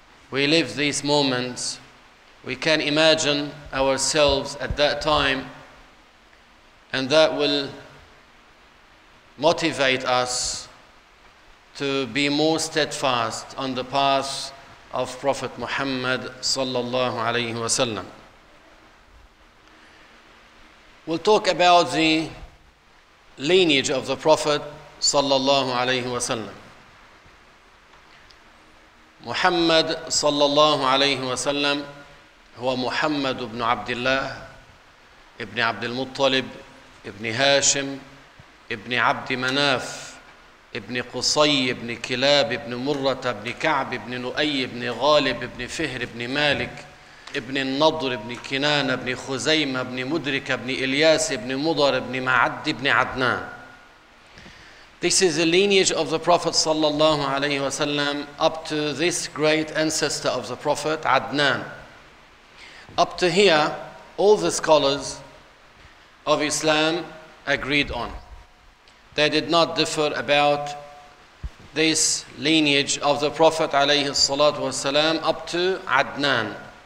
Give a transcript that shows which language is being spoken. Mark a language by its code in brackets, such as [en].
[en] We live these moments. We can imagine ourselves at that time, and that will motivate us to be more steadfast on the path of Prophet Muhammad sallallahu alayhi wa sallam. We'll talk about the lineage of the Prophet sallallahu alayhi wa sallam. [ar] Muhammad sallallahu alayhi wa sallam huwa Muhammad ibn Abdullah ibn Abd al-Muttalib ibn Hashim ibn Abd Manaf ابن قصي ابن كلاب ابن مرة ابن كعب ابن نؤي ابن غالب ابن فهر ابن مالك ابن النضر ابن كنان ابن خزيمة ابن مدرك ابن إلياس ابن مضر ابن معد ابن عدنان. [en] This is the lineage of the Prophet صلى الله عليه وسلم up to this great ancestor of the Prophet, Adnan. Up to here, all the scholars of Islam agreed on. They did not differ about this lineage of the Prophet alayhi salatu wasalam up to Adnan.